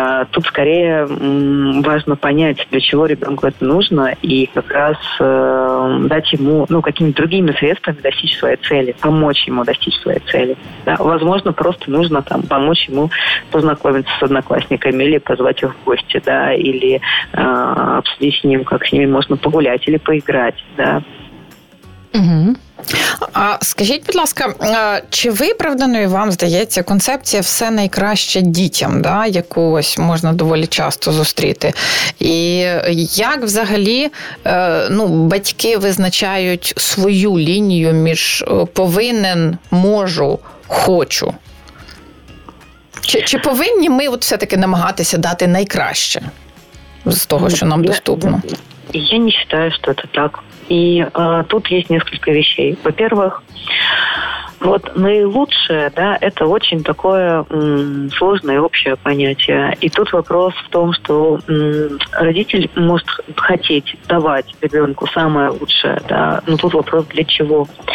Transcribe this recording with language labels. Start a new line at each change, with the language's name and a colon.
Russian: Тут скорее важно понять, для чего ребенку это нужно, и как раз дать ему, ну, какими-то другими средствами достичь своей цели, помочь ему достичь своей цели. Да? Возможно, просто нужно там помочь ему познакомиться с одноклассниками или позвать их в гости, да, или обсудить с ним, как с ними можно погулять или поиграть, да.
Ukrainian: А скажіть, будь ласка, чи виправданою вам здається концепція «все найкраще дітям», да, яку ось можна доволі часто зустріти? І як взагалі, ну, батьки визначають свою лінію між «повинен», «можу», «хочу»? Чи повинні ми от все-таки намагатися дати найкраще з того, що нам доступно?
Russian: Я не считаю, что это так. И тут есть несколько вещей. Во-первых, Вот наилучшее, да, это очень такое сложное общее понятие. И тут вопрос в том, что родитель может хотеть давать ребенку самое лучшее, да, но тут вопрос для чего?